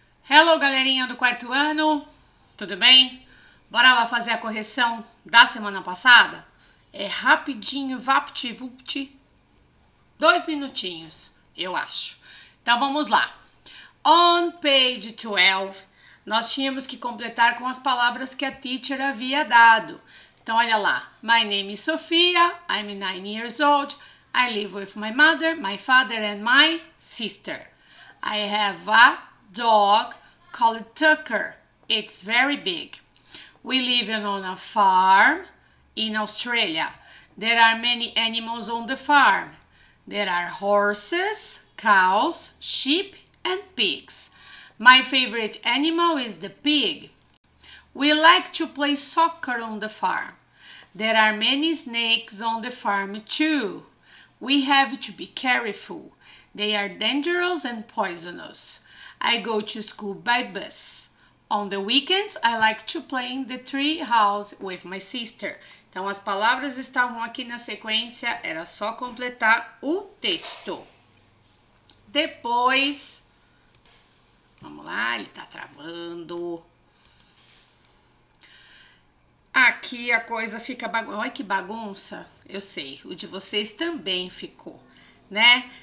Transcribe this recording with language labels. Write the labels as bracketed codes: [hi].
[en] Hello, [pt] galerinha do quarto ano, tudo bem? Bora lá fazer a correção da semana passada? É rapidinho, vapt-vupt, 2 minutinhos, eu acho. Então vamos lá. [en] On page 12, [pt] nós tínhamos que completar com as palavras que a teacher havia dado. Então olha lá. [en] My name is Sophia, I'm 9 years old, I live with my mother, my father and my sister. I have a dog called Tucker. It's very big. We live on a farm in Australia. There are many animals on the farm. There are horses, cows, sheep and pigs. My favorite animal is the pig. We like to play soccer on the farm. There are many snakes on the farm too. We have to be careful. They are dangerous and poisonous. I go to school by bus. On the weekends, I like to play in the tree house with my sister. [pt] Então, as palavras estavam aqui na sequência, era só completar o texto. Depois, vamos lá, ele tá travando. Aqui a coisa fica bagunça. Olha que bagunça. Eu sei, o de vocês também ficou, né?